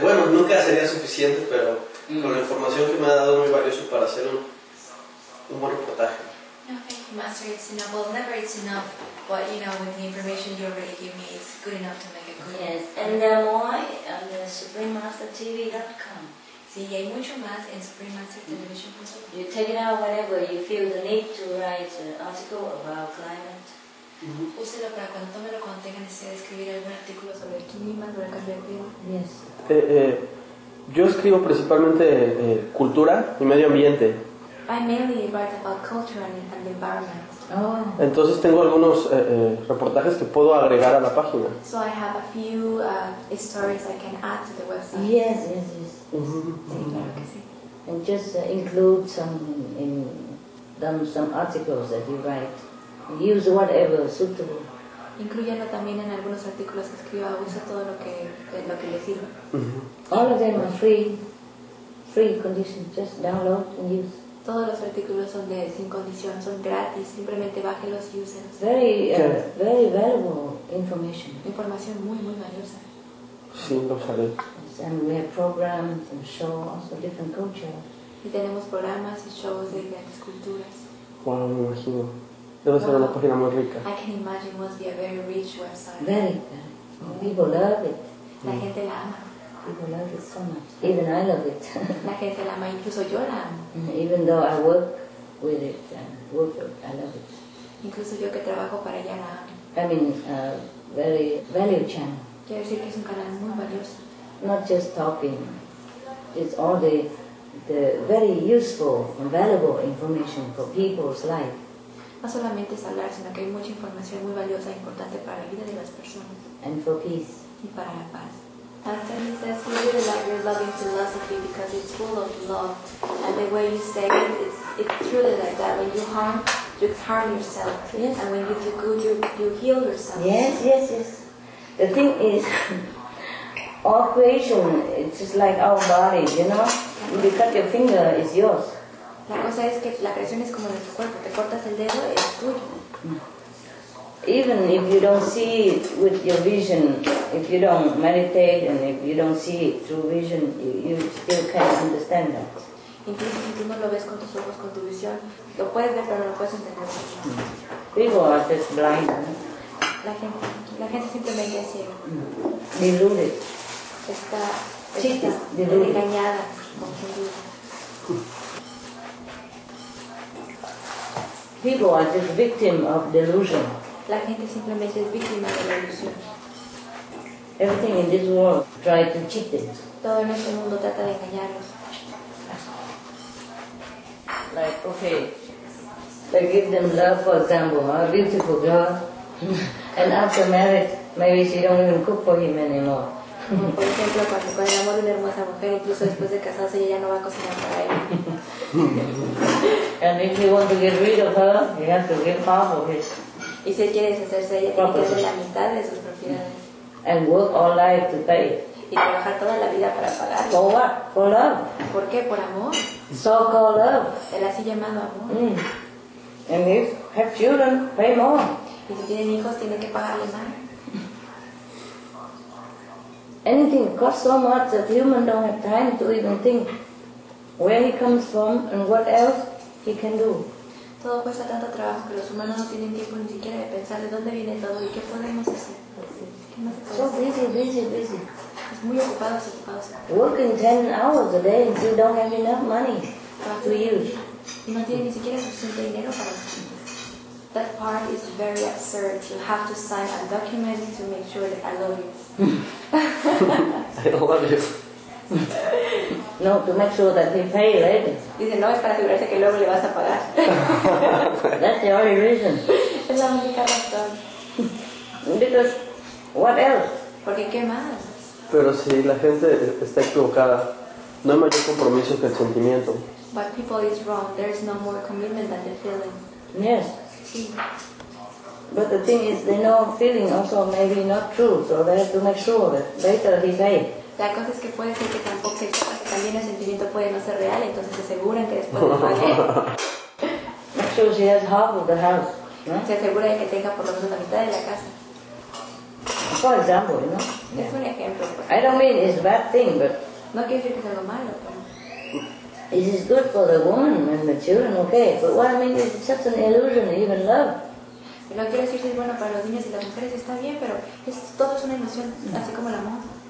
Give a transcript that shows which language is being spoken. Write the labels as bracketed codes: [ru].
[es] Bueno, nunca sería suficiente, pero con la información que me ha dado es muy valioso para hacer un buen reportaje. [en] Okay, Master, it's enough. Well, never it's enough, but you know, with the information you already give me, it's good enough to make a good. Yes, and there are more on the SupremeMasterTV.com. [es] Sí, hay mucho más en SupremeMasterTelevision.com. [en] You take it out whenever you feel the need to write an article about climate. [es] Úselo para cuando tómelo, cuando tenga necesidad de escribir algún artículo sobre el clima, sobre el cambio de clima. [en] Yes. [es] Yo escribo principalmente cultura y medio ambiente. [en] I mainly write about culture and the environment. Oh. [es] Entonces tengo algunos reportajes que puedo agregar a la página. [en] So I have a few stories I can add to the website. Yes, yes, yes. And just include some articles that you write. Use whatever suitable. [es] Incluyelo también en algunos artículos que escriba. Usa todo lo que le sirva. [en] Mm-hmm. All of them are free. Free conditions. Just download and use. [es] Todos los artículos son de sin condición, son gratis, simplemente bájelos y úsenlos. [en] Very, very valuable information. [es] Información muy, muy valiosa. Sí, lo sabré. [en] And we have programs and shows, also different cultures. [es] Y tenemos programas y shows de diferentes culturas. Wow, me imagino. Debe ser una página muy rica. [en] I can imagine it must be a very rich website. Very, very. People love it. [es] La gente la ama. [en] People love it so much. Even I love it. [es] La gente la ama, incluso yo la amo. [en] Even though I work with it, I love it. [es] Incluso yo que trabajo para ella la amo. [en] I mean, a very valued channel. [es] Quiero decir que es un canal muy valioso. [en] Not just talking. It's all the very useful and valuable information for people's life. [es] No solamente es hablar, sino que hay mucha información muy valiosa e importante para la vida de las personas. [en] And for peace. [es] Y para la paz. [en] After he says he really like your loving philosophy because it's full of love, and the way you say it, it's truly like that. When you harm yourself, yes. And when you do good, you heal yourself. Yes, yes, yes. The thing is, all creation, it's just like our body, you know? You cut your finger, it's yours. [es] La cosa es que la creación es como nuestro cuerpo. Te cortas el dedo, es tuyo. [en] Even if you don't see it with your vision, if you don't meditate and if you don't see it through vision, you still can't understand that. [es] Incluso si tú no lo ves con tus ojos, con tu visión, lo puedes ver, pero no lo puedes entender. [en] People are just blind. [es] La gente simplemente es ciega. [en] Deluded. [es] Está [en] deluded. [es] Engañada, confundida. [en] People are just victims of delusion. [es] La gente simplemente es víctima de la ilusión. [en] Everything in this world tries to cheat them. [es] Todo en este mundo trata de engañarlos. [en] Like, okay, they give them love, for example, a beautiful girl, and after marriage, maybe she don't even cook for him anymore. [es] Por ejemplo, cuando con el amor de una hermosa mujer, incluso después de casarse, ella no va a cocinar para él. [en] And if he wants to get rid of her, he has to get half of his. [es] Y si él quiere deshacerse de ella, tiene que darle la mitad de sus propiedades. [en] And work all life to pay. [es] Y trabajar toda la vida para pagar. [en] For what? For love. [es] ¿Por qué? Por amor. [en] So called love. [es] El así llamado amor. [en] And if have children, pay more. [es] Y si tienen hijos, tienen que pagarle más. [en] Anything costs so much that human don't have time to even think where he comes from and what else he can do. [es] Todo cuesta tanto trabajo que los humanos no tienen tiempo ni siquiera de pensar de dónde viene todo y qué podemos hacer. [en] So busy. [es] Es muy ocupados. [en] Working 10 hours a day and still don't have enough money to use. [es] Y no tienen ni siquiera suficiente dinero para los clientes. [en] That part is very absurd. You have to sign a document to make sure that I love you. I love you. No, to make sure that they pay later. [es] Dice, no, es para asegurarse que luego le vas a pagar. [en] That's the only reason. [es] Es la única razón. [en] Because, what else? [es] Porque, ¿qué más? Pero si la gente está equivocada, no hay mayor compromiso que el sentimiento. [en] But people is wrong. There is no more commitment than the feeling. Yes. [es] Sí. [en] But the thing is, they know feeling also maybe not true, so they have to make sure that later he pay. [es] La cosa es que puede ser que tampoco sea que también el sentimiento puede no ser real, entonces se aseguran que después le pague. [en] Make sure she has half of the house. [es] ¿No? Se asegura de que tenga por lo menos la mitad de la casa. [en] For example, you know? [es] Yeah. Es un ejemplo. [en] I don't mean it's a bad thing, but... [es] No quiero decir que sea algo malo, pero... [en] It is good for the woman and the children, okay, but what I mean is it's just an illusion, even love. [es] Lo que quiero decir es bueno para los niños y las mujeres está bien, pero es, todo es una ilusión, así como el amor.